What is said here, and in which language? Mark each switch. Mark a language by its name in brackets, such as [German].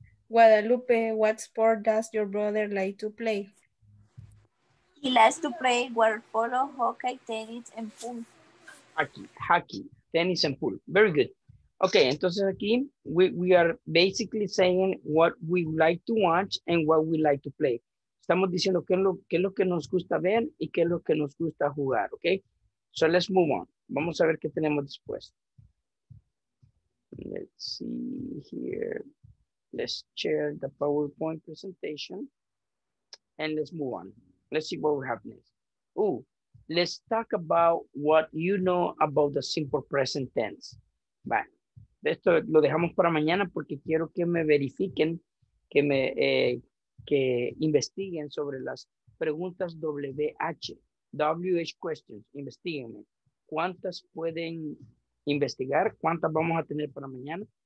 [English] Guadalupe, what sport does your brother like to play? He likes to play water polo, hockey, tennis, and pool. Hockey, tennis, and pool. Very good. Okay, [Spanish] entonces aquí [English] we are basically saying what we like to watch and what we like to play. [Spanish] Estamos diciendo qué es lo que nos gusta ver y qué es lo que nos gusta jugar, okay? [English] So let's move on. [Spanish] Vamos a ver qué tenemos después. [English] Let's see here. Let's share the PowerPoint presentation and let's move on. Let's see what will happen next. Ooh, let's talk about what you know about the simple present tense. [Spanish] Vale. Esto lo dejamos para mañana porque quiero que me verifiquen, que me que investiguen sobre las preguntas WH, WH questions, investiguenme. ¿Cuántas pueden investigar? ¿Cuántas vamos a tener para mañana?